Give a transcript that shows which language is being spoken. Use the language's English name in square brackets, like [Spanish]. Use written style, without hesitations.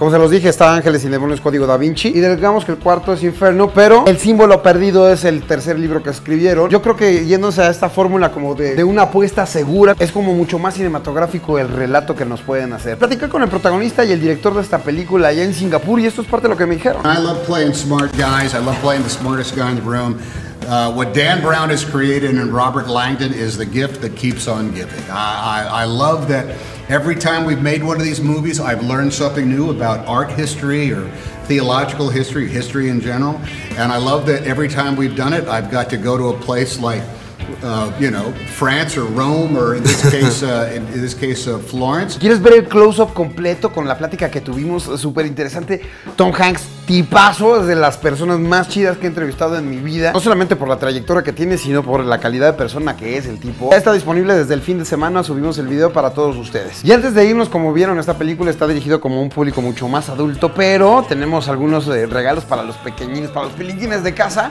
[Spanish] Como se los dije, está Ángeles y Demonios, Código Da Vinci, y digamos que el cuarto es Inferno, pero el símbolo perdido es el tercer libro que escribieron. Yo creo que yéndose a esta fórmula como de una apuesta segura, es como mucho más cinematográfico el relato que nos pueden hacer. Platicé con el protagonista y el director de esta película allá en Singapur, y esto es parte de lo que me dijeron. [English] I love playing smart guys, I love playing the smartest guy in the room. What Dan Brown has created and Robert Langdon is the gift that keeps on giving. I love that every time we've made one of these movies, I've learned something new about art history or theological history, history in general. And I love that every time we've done it, I've got to go to a place like, you know, France or Rome, or in this case, Florence. [Spanish] ¿Quieres ver el close-up completo con la plática que tuvimos? Súper interesante. Tom Hanks tipazo, es de las personas más chidas que he entrevistado en mi vida. No solamente por la trayectoria que tiene, sino por la calidad de persona que es el tipo. Ya está disponible desde el fin de semana, subimos el video para todos ustedes. Y antes de irnos, como vieron, esta película está dirigida como un público mucho más adulto, pero tenemos algunos regalos para los pequeñines, para los pilinguines de casa.